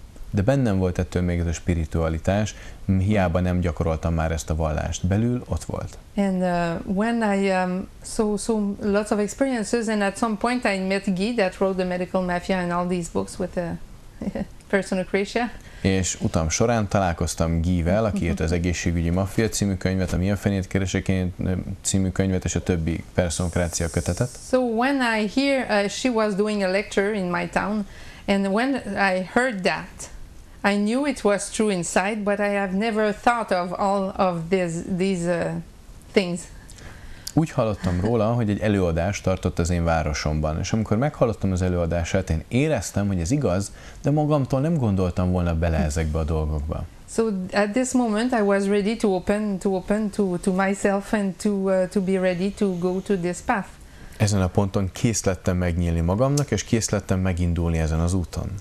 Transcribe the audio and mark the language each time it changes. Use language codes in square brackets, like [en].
[hu] De bennem volt ettől még ez a spiritualitás, hiába nem gyakoroltam már ezt a vallást. Belül ott volt. [en] And when I so lots of experiences, and at some point I met Guy that wrote the medical mafia and all these books with Perszonokrácia. [hu] És utam során találkoztam Guy-vel, aki írt az egészségügyi maffia című könyvet, a Milyen fenét keresek én című könyvet és a többi Perszonokrácia kötetet. [en] So when I hear she was doing a lecture in my town, and when I heard that, I knew it was true inside, but I have never thought of all of these things. [hu] Úgy hallottam róla, hogy egy előadást tartott az én városomban, és amikor meghallottam az előadását, én éreztem, hogy ez igaz, de magamtól nem gondoltam volna bele ezekbe a dolgokba. [en] So at this moment I was ready to open to myself and to be ready to go to this path. [hu] Ezen a ponton kész lettem megnyílni magamnak, és kész lettem megindulni ezen az úton.